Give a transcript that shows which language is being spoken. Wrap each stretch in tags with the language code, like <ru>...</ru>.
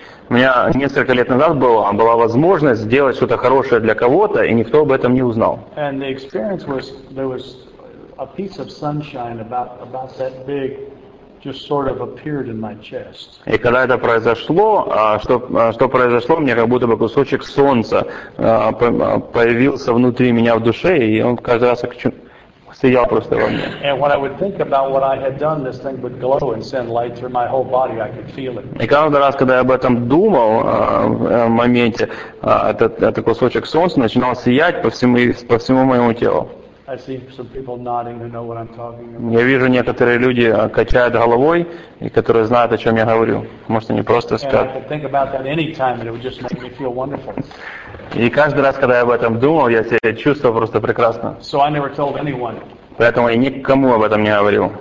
<ru>У меня несколько лет назад была возможность сделать что-то хорошее для кого-то, и никто об этом не узнал.</ru> <en>And the experience was, there was a piece of sunshine about that big just sort of appeared in my chest.</en> <ru>И когда это произошло, что произошло, мне как будто бы кусочек солнца появился внутри меня в душе, и он каждый раз сиял просто во мне.</ru> <en>And when I would think about what I had done, this thing would glow and send light through my whole body. I could feel it.</en> <ru>И каждый раз, когда я об этом думал, в моменте, этот кусочек солнца начинал сиять по всему моему телу.</ru> <en>I see some people nodding who know what I'm talking about.</en> <ru>Я вижу некоторые люди качают головой и которые знают о чем я говорю. Может, они просто спят.</ru> <en>And I could think about that any time, and it would just make me feel wonderful.</en> <ru>И каждый раз, когда я об этом думал, я себя чувствовал просто прекрасно.</ru> <en>So I never told anyone.</en> <ru>Поэтому я никому об этом не говорил.</ru>